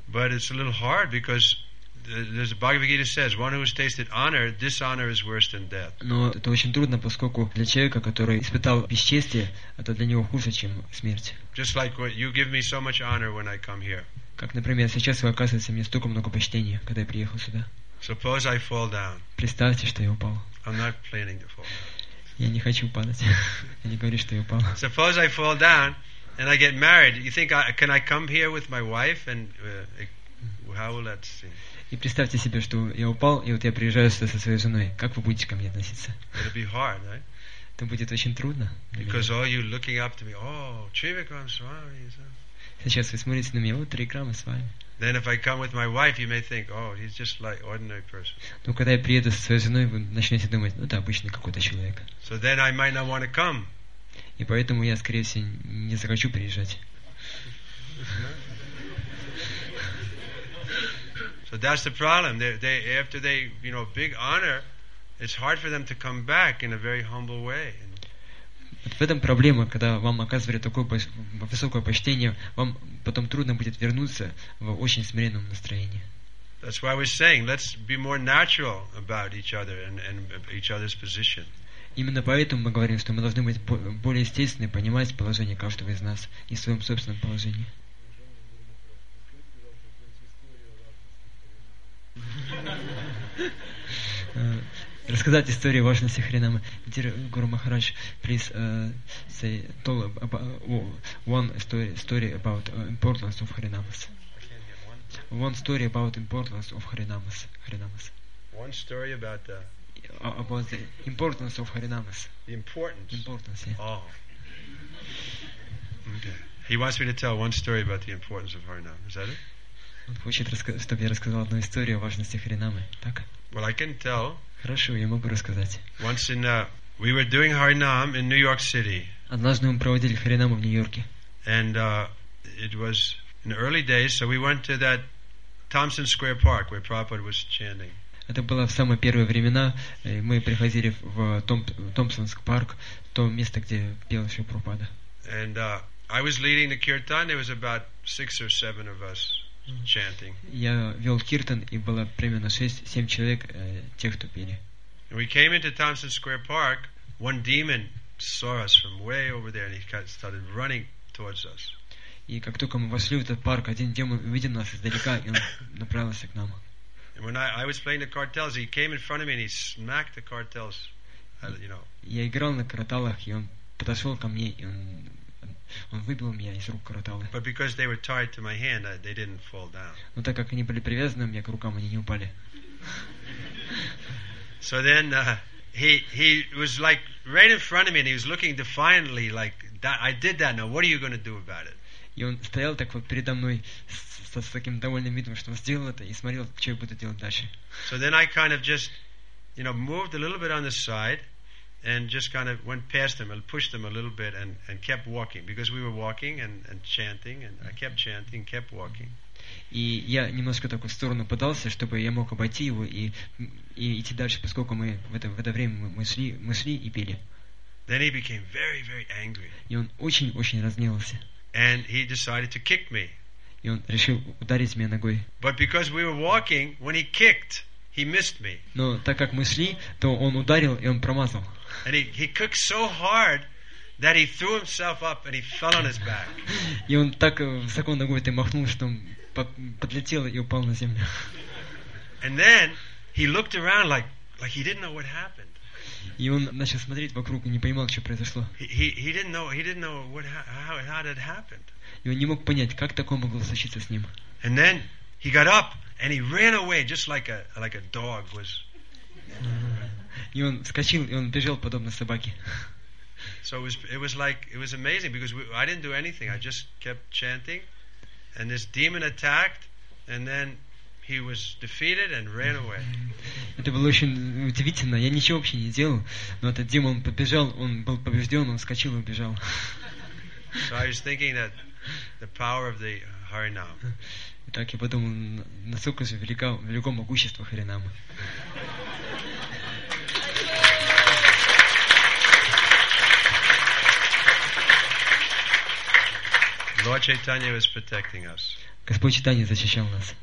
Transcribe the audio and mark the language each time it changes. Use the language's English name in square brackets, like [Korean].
[English] But it's a little hard because there's a Bhagavad Gita says, one who has tasted honor, dishonor is worse than death. [Russian] Но это очень трудно, поскольку для человека, который испытал бесчестие, это для него хуже, чем смерть. [English] Just like what you give me so much honor when I come here. [Russian] Как, например, сейчас вы оказываете мне столько много почтения, когда я приехал сюда. [English] Suppose I fall down. [Russian] Представьте, что я упал. [English] I'm not planning to fall. [Russian] Я не хочу падать. Я не говорю, что я упал. [English] Suppose I fall down and I get married. You think I can I come here with my wife and how will that seem? [Russian] И представьте себе, что я упал, и вот я приезжаю сюда со своей женой. Как вы будете ко мне относиться? [English] It'll be hard, right? [Russian] Это будет очень трудно. [English] Because all you looking up to me, oh, Trivikram Swami. [Russian] Сейчас вы смотрите на меня, вот Трикрама с вами. [English] Then if I come with my wife, you may think, oh, he's just like ordinary person. [Russian] Но когда я приеду со своей женой, вы начнете думать, ну это обычный какой-то человек. [English] So then I might not want to come. [Russian] И поэтому я, скорее всего, не захочу приезжать. [English] So that's the problem. They after they, you know, big honor, it's hard for them to come back in a very humble way. [Russian] Вот в этом проблема, когда вам оказывали такое высокое почтение, вам потом трудно будет вернуться в очень смиренном настроении. [English] That's why we're saying, let's be more natural about each other and each other's position. [Russian] Именно поэтому мы говорим, что мы должны быть более естественны, понимать положение каждого из нас и в своем собственном положении. Рассказать историю важности Харинамы. [English] Dear Guru Maharaj, please say tell one story about importance of Harinamas. One story about importance of Harinamas. One story about the about the importance of Harinamas. The importance. Importance. Yeah. Oh. Okay. He wants me to tell one story about the importance of Harinamas. Is that it? [Russian] Он хочет, чтобы я рассказал одну историю о важности Харинамы. Так? [English] Well, I can tell. [Russian] Хорошо, я могу рассказать. [English] Once in we were doing Harinam in New York City. [Russian] Однажды мы проводили Харинаму в Нью-Йорке. [English] And it was in the early days, so we went to that Thompson Square Park where Prabhupada was chanting. [Russian] Это было в самые первые времена, мы приходили в Томпсонский парк, то место, где пел еще Прабхупада. [English] And I was leading the kirtan. There was about six or seven of us. Chanting. [Russian] Я вел киртан и было примерно 6-7 человек тех, кто пели. [English] We came into Thompson Square Park. One demon saw us from way over there, and he started running towards us. [Russian] И как только мы вошли в этот парк, один демон увидел нас издалека и он направился к нам. [English] And when I was playing the cartels, he came in front of me and he smacked the cartels. You know. [Russian] Я играл на карателях и он подошел ко мне и он выбил меня из рук караталы. [English] But because they were tied to my hand, they didn't fall down. [Russian] Но так как они были привязаны у меня к рукам, они не упали. [English] So then he was like right in front of me, and he was looking defiantly like that. I did that. Now what are you going to do about it? [Russian] И он стоял так вот передо мной с таким довольным видом, что он сделал это, и смотрел, что я буду делать дальше. [English] So then I kind of just, you know, moved a little bit on the side. And just kind of went past them and pushed them a little bit and kept walking because we were walking and chanting and I kept chanting, kept walking. [Russian] И я немножко так в сторону подался, чтобы я мог обойти его и идти дальше, поскольку мы в это время мы шли и пели. [English] Then he became very, very angry. [Russian] И он очень-очень разгневался. [English] And he decided to kick me. [Russian] И он решил ударить меня ногой. [English] But because we were walking, when he kicked, he missed me. [Russian] Но так как мы шли, то он ударил и он промазал. [English] And he kicked so hard that he threw himself up and he fell on his back. [Russian] И он так высоко ногой ты махнул, что он подлетел и упал на землю. [English] And then he looked around like he didn't know what happened. [Russian] И он начал смотреть вокруг и не понимал, что произошло. И он не мог понять, как такое могло случиться с ним. [English] And then he got up and he ran away just like a dog was. [Russian] И он вскочил, и он бежал подобно собаке. [English] So it was amazing because I didn't do anything. I just kept chanting, and this demon attacked, and then he was defeated and ran away. [Russian] Это было очень удивительно. Я ничего вообще не делал, но этот демон побежал. Он был побежден. Он вскочил и убежал. [English] So I was thinking that the power of the Harinam. [Russian] Так я подумал, насколько же велико могущество Харинама. [English] Lord Chaitanya was protecting us. [Russian] Господь Чайтанья защищал нас.